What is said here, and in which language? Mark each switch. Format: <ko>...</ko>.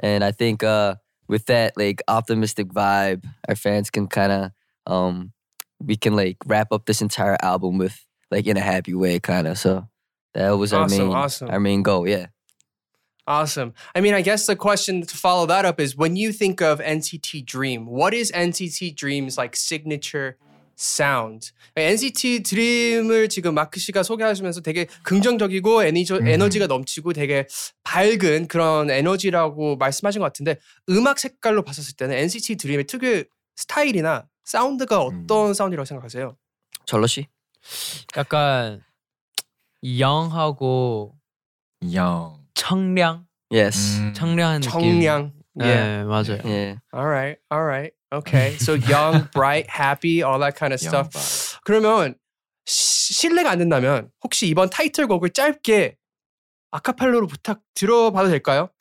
<en>And I think with that like optimistic vibe, our fans can kind of we can like wrap up this entire album with like in a happy way kind of. So that was awesome, our main goal. Yeah. Awesome. I mean, I guess the question to follow that up is when you think of NCT Dream, what is NCT Dream's like signature sound?</en> <ko>NCT Dream을 지금 마크 씨가 소개하시면서 되게 긍정적이고 에너지가 넘치고 되게 밝은 그런 에너지라고 말씀하신 것 같은데 음악 색깔로 봤었을 때는 NCT Dream의 특유 스타일이나 사운드가 어떤 사운드라고 생각하세요? 절로 씨? 약간 영하고 영 청량?</ko> <en>Yes.</en> <ko>청량한 청량. 느낌. 청량. Yeah. 네, 맞아요.</ko> <en>Yeah. Alright, alright. Okay, so young, bright, happy, all that kind of stuff.</en> <ko>Young, 그러면 실례가 안 된다면 혹시 이번 타이틀곡을 짧게 아카펠로로 부탁 들어봐도 될까요?</ko>